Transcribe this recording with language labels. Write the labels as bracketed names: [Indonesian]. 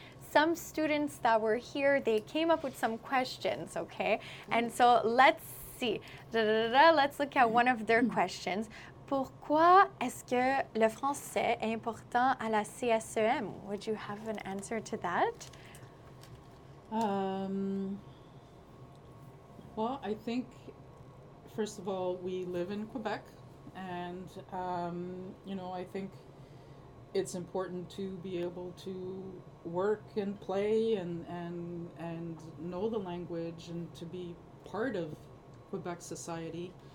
[English] Some students that were here, they came up with some questions, okay? And so let's see. Let's look at one of their questions. [French] Pourquoi est-ce que le français est important à la CSEM? [English] Would you have an answer to that? I think, first of all, we live in Quebec, and I think it's important to be able to work and play and know the language and to be part of Quebec society.